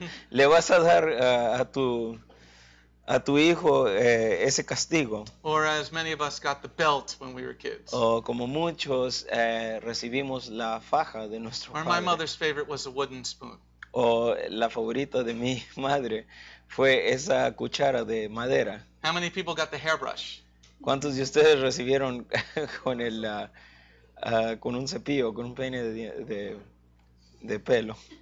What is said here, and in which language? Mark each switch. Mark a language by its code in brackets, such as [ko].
[es] Le vas a dar a tu hijo ese castigo. [en] Or as many of us got the belt when we were kids. [es] O como muchos recibimos la faja de nuestro padre. [en] Or my mother's favorite was a wooden spoon. [es] O la favorita de mi madre fue esa cuchara de madera. [en] How many people got the hairbrush? [es] ¿Cuántos de ustedes recibieron con el con un cepillo, con un peine de pelo?